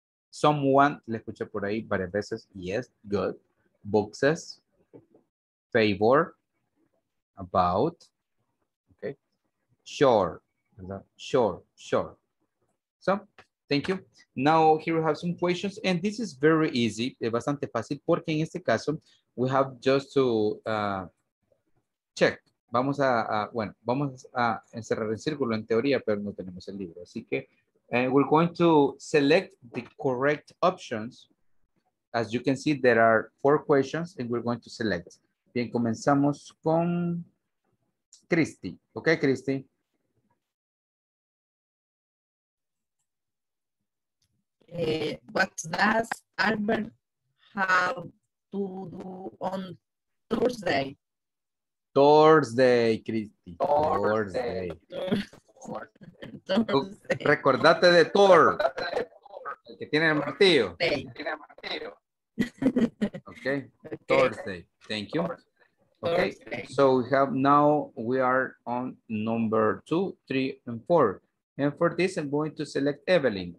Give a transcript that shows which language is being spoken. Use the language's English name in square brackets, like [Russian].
[English] Someone, [Spanish] le escuché por ahí varias veces. [English] Yes, good. Boxes. Favor. About. Okay. Sure. Sure. Sure. So, thank you. Now, here we have some questions. And this is very easy. [Spanish] Es bastante fácil porque en este caso, [English] we have just to check. [Spanish] Vamos a encerrar el círculo en teoría, pero no tenemos el libro. Así que, [English] and we're going to select the correct options. As you can see, there are four questions and we're going to select. [Spanish] Bien, comenzamos con Christy. Okay, Christy. [English] What does Albert have to do on Thursday? Thursday, Christy. Thursday. Thursday. [Spanish] Recordate de Thor, el que tiene el martillo. [English] Okay, Thursday. Thank you. Okay, so we have now we are on number 2, 3, and 4. And for this, I'm going to select Evelyn.